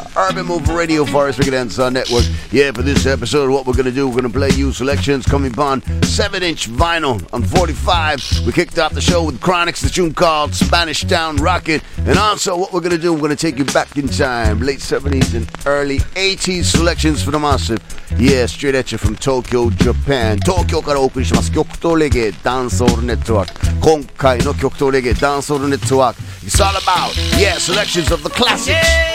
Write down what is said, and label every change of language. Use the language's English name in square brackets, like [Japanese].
[English] Urban Movement Radio, Forest Reggae Dance Network. Yeah, for this episode, what we're going to do, we're going to play you selections coming upon 7-inch vinyl on 45. We kicked off the show with Kranix, the tune called Spanish Town Rocket. And also, what we're going to do, we're going to take you back in time, late 70s and early 80s selections for the massive. Yeah, straight at you from Tokyo, Japan. Tokyo [Japanese] から送りします。極東レゲエダンスオールネットワーク。今回の極東レゲエダンスオールネットワーク。 [English] It's all about, yeah, selections of the classics.